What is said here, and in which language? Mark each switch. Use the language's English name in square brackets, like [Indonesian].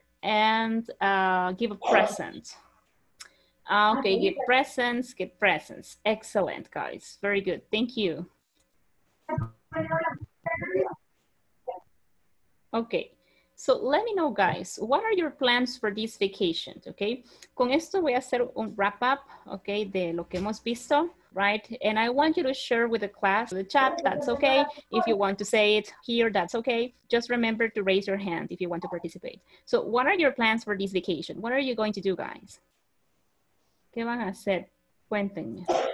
[English] And give a present. Okay, get presents. Excellent, guys. Very good. Thank you. Okay, so let me know, guys, what are your plans for this vacation, okay? [Spanish] Con esto voy a hacer un wrap up, okay, de lo que hemos visto, right? [English] And I want you to share with the class, the chat, that's okay. If you want to say it here, that's okay. Just remember to raise your hand if you want to participate. So what are your plans for this vacation? What are you going to do, guys? [Spanish] ¿Qué van a hacer? Cuéntenme.